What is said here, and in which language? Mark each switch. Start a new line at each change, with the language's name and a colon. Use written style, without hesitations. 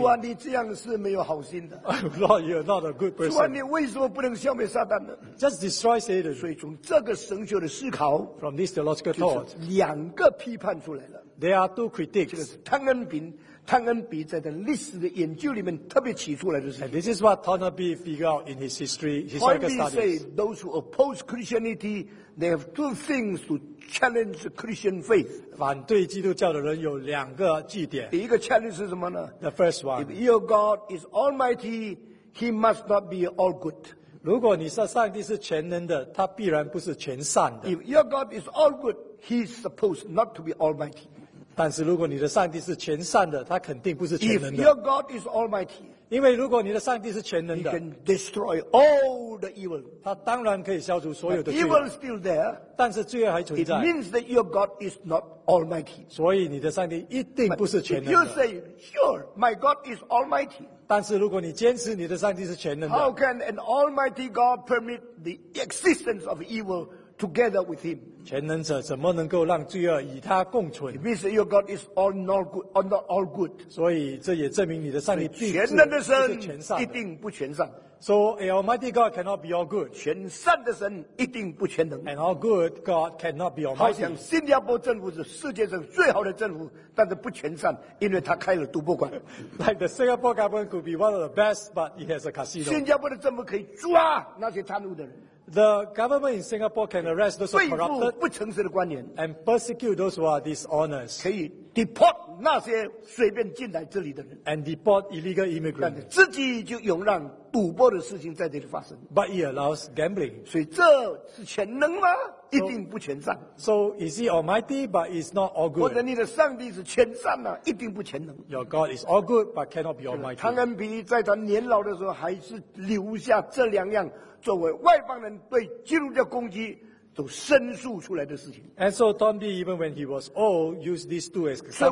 Chinese: 主啊，你这样是没有好心的。
English: Lord, you are not a good person.
Chinese: 主啊，你为什么不能消灭撒旦？
English: Just destroy Satan.
Chinese: 所以从这个神学的思考，
English: from this theological thought,
Chinese: 就是两个批判出来了。
English: There are two critiques.
Chinese: 这个是汤恩比在他历史的研究里面特别提出来的事情。
English: And this is what Tarnaby figured out in his history, historical studies. Tarnaby said those who oppose Christianity, they have two things to challenge Christian faith.
Chinese: 反对基督教的人有两个据点。第一个 challenge 是什么呢？
English: The first one. If your God is Almighty, He must not be all good.
Chinese: 如果你说上帝是全能的，他必然不是全善的。
English: If your God is all good, he is supposed not to be almighty.
Chinese: 但是如果你的上帝是全善的，他肯定不是全能的。
English: If your God is almighty,
Chinese: 因为如果你的上帝是全能的，
English: he can destroy all the evil.
Chinese: 他当然可以消除所有的罪恶。
English: Evil is still there.
Chinese: 但是罪恶还存在。
English: It means that your God is not almighty.
Chinese: 所以你的上帝一定不是全能的。
English: If you say, sure, my God is almighty.
Chinese: 但是如果你坚持你的上帝是全能的，
English: How can an almighty God permit the existence of evil together with him?
Chinese: 全能者怎么能够让罪恶与他共存？
English: It means your God is all not good, not all good.
Chinese: 所以这也证明你的上帝并不是全善的。全能的神一定不全善。
English: So an almighty God cannot be all good.
Chinese: 全善的神一定不全能。
English: And all good God cannot be almighty.
Chinese: 好像新加坡政府是世界上最好的政府，但是不全善，因为他开了赌博馆。
English: Like the Singapore government could be one of the best, but it has a casino.
Chinese: 新加坡的政府可以抓那些贪污的人。
English: The government in Singapore can arrest those who are corrupt,
Chinese: 不诚实的官员。
English: And persecute those who are dishonest.
Chinese: 可以 deport 那些随便进来这里的人。
English: And deport illegal immigrants.
Chinese: 但是自己就容让赌博的事情在这里发生。
English: But he allows gambling.
Chinese: 所以这是全能吗？
English: So,
Chinese: 一定不全善。
English: So is he almighty, but he's not all good.
Chinese: 或者你的上帝是全善吗？一定不全能。
English: Your God is all good, but cannot be almighty.
Chinese: 汤恩比在他年老的时候还是留下这两样作为外邦人对基督教攻击都申诉出来的事情。
English: And so Tom D, even when he was old, used these two as examples.
Chinese: 所以